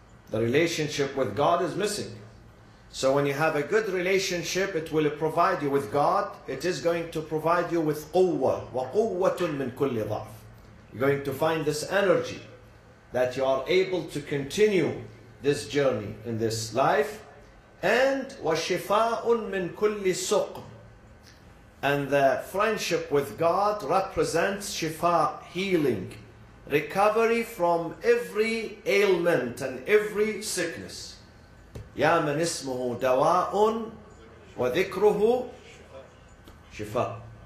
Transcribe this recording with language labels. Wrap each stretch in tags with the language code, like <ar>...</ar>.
<en>The relationship with God is missing. So when you have a good relationship, it will provide you with God. It is going to provide you with quwwa.</en> <ar>وَقُوَّةٌ مِنْ كُلِّ ضَعْفٍ.</ar> <en>You're going to find this energy that you are able to continue this journey in this life.</en> <ar>And وَشِفَاءٌ مِنْ كُلِّ سُقْمٍ.</ar> <en>And the friendship with God represents shifa, healing, recovery from every ailment and every sickness.</en> <ar>Ya man ismuhu dawa'un wa dhikruhu shifa.</ar>